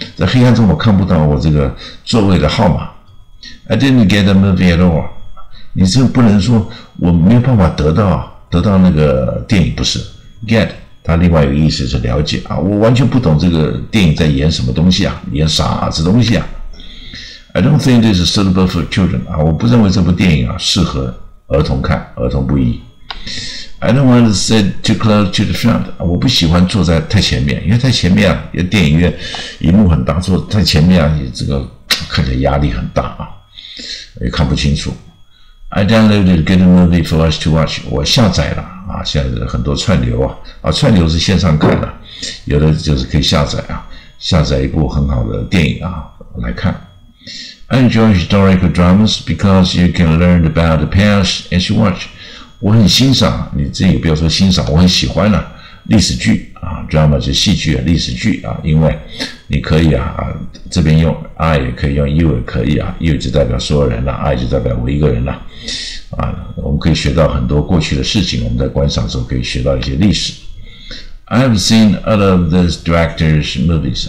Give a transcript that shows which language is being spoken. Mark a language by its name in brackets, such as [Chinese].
[Chinese] 在黑暗中我看不到我这个座位的号码。 [English] I didn't get the movie at all. [Chinese] 你这不能说我没有办法得到那个电影，不是。 Get, 它另外一个意思是了解啊，我完全不懂这个电影在演什么东西啊，演啥啊，这东西啊。 [English] I don't think this is suitable for children. [Chinese] 啊，我不认为这部电影啊适合儿童看，儿童不宜。 [English] I don't want to sit too close to the front. [Chinese] 我不喜欢坐在太前面，因为太前面啊，电影院荧幕很大，坐太前面啊，这个看起来压力很大啊，也看不清楚。 [English] I downloaded a good movie for us to watch. [Chinese] 我下载了啊，现在很多串流啊，啊，串流是线上看的，有的就是可以下载啊，下载一部很好的电影啊来看。 [English] I enjoy historical dramas because you can learn about the past as you watch. [Chinese] 我很欣赏，你自己也不要说欣赏，我很喜欢呢、啊。历史剧啊 ，drama 是戏剧啊，历史剧啊，因为你可以啊，这边用 I 也可以用 You 也可以啊 ，You 就代表所有人了、啊、，I 就代表我一个人了、啊。啊，我们可以学到很多过去的事情，我们在观赏的时候可以学到一些历史。 [English] I have seen all of these directors' movies.